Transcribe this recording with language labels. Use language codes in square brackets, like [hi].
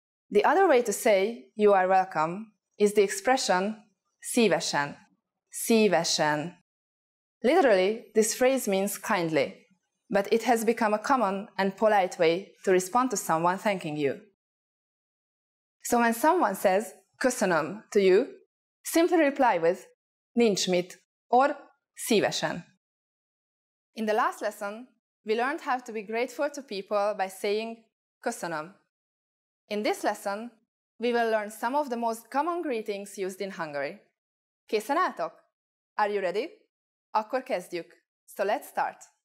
[en] The other way to say you are welcome is the expression szívesen. [hu] Szívesen. [en] Literally, this phrase means kindly, but it has become a common and polite way to respond to someone thanking you. So when someone says köszönöm to you, simply reply with nincs mit or szívesen. In the last lesson, we learned how to be grateful to people by saying köszönöm. In this lesson, we will learn some of the most common greetings used in Hungary. [hu] Készen álltok? [en] Are you ready? [hu] Akkor kezdjük. [en] So let's start.